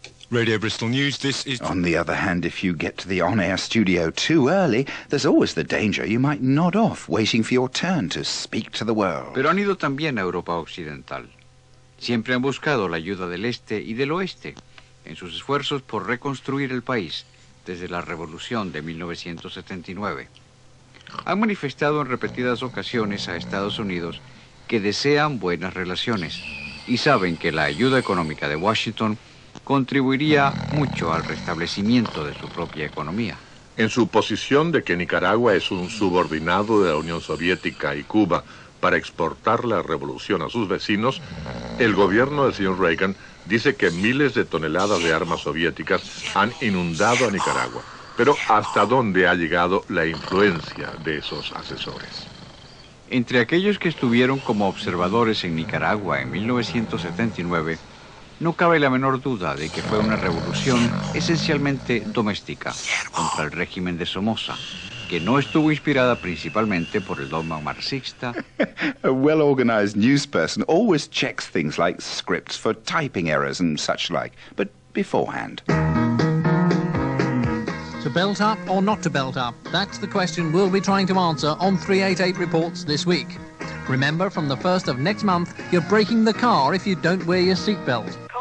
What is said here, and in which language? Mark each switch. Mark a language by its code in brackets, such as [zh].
[en] Radio Bristol News, this is... On the other hand, if you get to the on-air studio too early, there's always the danger you might nod off waiting for your turn to speak to the world. [es] Pero han ido también a Europa Occidental. Siempre han buscado la ayuda del este y del oeste en sus esfuerzos por reconstruir el país desde la revolución de 1979. Han manifestado en repetidas ocasiones a Estados Unidos que desean buenas relaciones y saben que la ayuda económica de Washington contribuiría mucho al restablecimiento de su propia economía. En su posición de que Nicaragua es un subordinado de la Unión Soviética y Cuba para exportar la revolución a sus vecinos, el gobierno del señor Reagan dice que miles de toneladas de armas soviéticas han inundado a Nicaragua. Pero ¿hasta dónde ha llegado la influencia de esos asesores? Entre aquellos que estuvieron como observadores en Nicaragua en 1979, no cabe la menor duda de que fue una revolución esencialmente doméstica contra el régimen de Somoza, que no estuvo inspirada principalmente por el dogma marxista. [en] A well-organized newsperson always checks things like scripts for typing errors and such like, but beforehand. To belt up or not to belt up? That's the question we'll be trying to answer on 388 Reports this week. Remember, from the 1st of next month, you're breaking the car if you don't wear your seatbelt.